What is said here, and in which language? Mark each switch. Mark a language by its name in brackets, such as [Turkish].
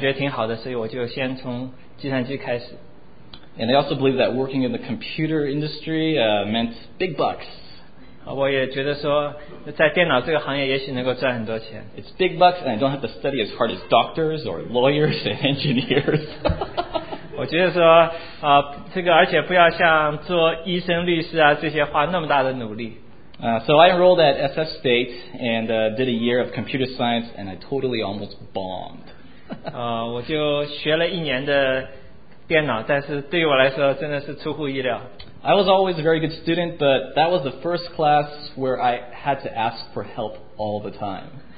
[Chinese] 那个时候我不知道该选什么专业，后来我想以前我对计算机好像感觉挺好的，所以我就先从计算机开始。 [English] And I also believe that working in the computer industry meant big bucks. [Chinese] 我也觉得说在电脑这个行业也许能够赚很多钱。 [English] It's big bucks and I don't have to study as hard as doctors or lawyers and engineers. [Chinese] 我觉得说这个而且不要像做医生律师啊这些花那么大的努力。 [English] So I enrolled at SF State and did a year of computer science and I totally almost bombed. [Chinese] 我就学了一年的电脑，但是对于我来说真的是出乎意料。 [English] I was always a very good student, but that was the first class where I had to ask for help all the time.